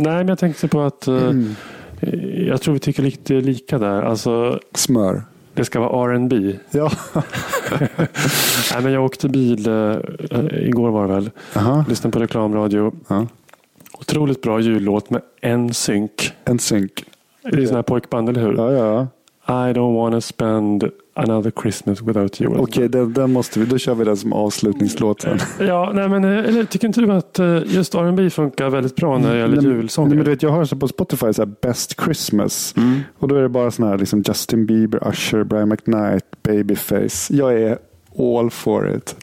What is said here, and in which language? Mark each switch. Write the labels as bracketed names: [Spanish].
[Swedish] Nej, men jag tänkte på att jag tror vi tycker lite lika där. Alltså, smör. Det ska vara R&B. Ja. Nej, men jag åkte bil igår var det väl. Uh-huh. Lyssnade på reklamradio. Uh-huh. Otroligt bra jullåt med NSYNC. NSYNC. Det är sån här pojkband, eller hur? Ja, ja. [English] I don't wanna spend another Christmas without you. [Swedish] Okej, okay, den måste vi. Då kör vi den som avslutningslåten. Ja, nej, men eller, tycker inte du att just R&B funkar väldigt bra när det gäller julsånger? Men du vet, jag hör så på Spotify så här, Best Christmas. Mm. Och då är det bara sån här liksom, Justin Bieber, Usher, Brian McKnight, Babyface. Jag är [English] all for it.